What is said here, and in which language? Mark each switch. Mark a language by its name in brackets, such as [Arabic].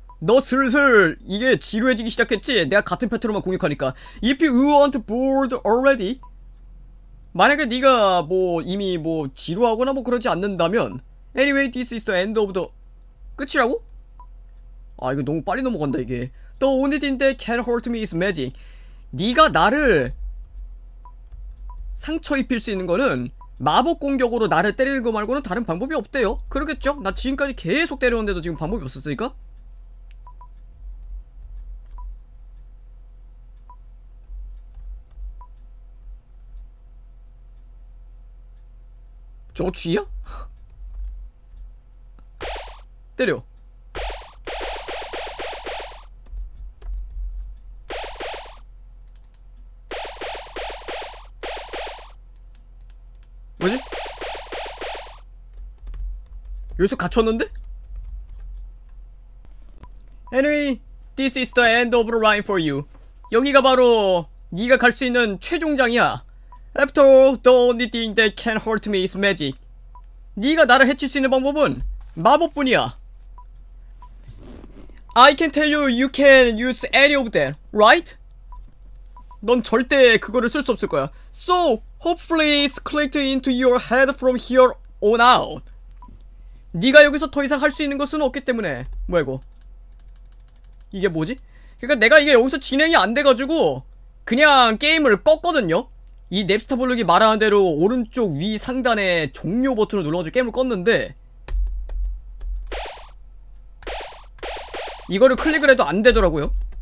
[Korean] 너 슬슬 이게 지루해지기 시작했지? 내가 같은 패턴으로만 공격하니까. [English] If you aren't bored already? [Korean] 만약에 네가 뭐 이미 뭐 지루하거나 뭐 그러지 않는다면 [English] Anyway, this is the end of the... [Korean] 끝이라고? 아, 이거 너무 빨리 넘어간다, 이게. [English] The only thing that can hurt me is magic. [Korean] 네가 나를 상처 입힐 수 있는 거는 마법 공격으로 나를 때리는 거 말고는 다른 방법이 없대요. 그러겠죠? 나 지금까지 계속 때렸는데도 지금 방법이 없었으니까. 저 쥐야? 때려. 뭐지? 여기서 갇혔는데? [English] Anyway, this is the end of the line for you. [Korean] 여기가 바로 네가 갈 수 있는 최종장이야. [English] After all, the only thing that can hurt me is magic. [Korean] 네가 나를 해칠 수 있는 방법은 마법뿐이야. [English] I can tell you you can use any of that, right? [Korean] 넌 절대 그거를 쓸 수 없을 거야. [English] So, hopefully it's clicked into your head from here on out. [Korean] 네가 여기서 더 이상 할 수 있는 것은 없기 때문에. 뭐야 이거? 이게 뭐지? 그러니까 내가 이게 여기서 진행이 안 돼가지고 그냥 게임을 껐거든요? 이 냅스타 블록이 말하는 대로 오른쪽 위 상단에 종료 버튼을 눌러가지고 게임을 껐는데 이거를 클릭을 해도 안 되더라고요.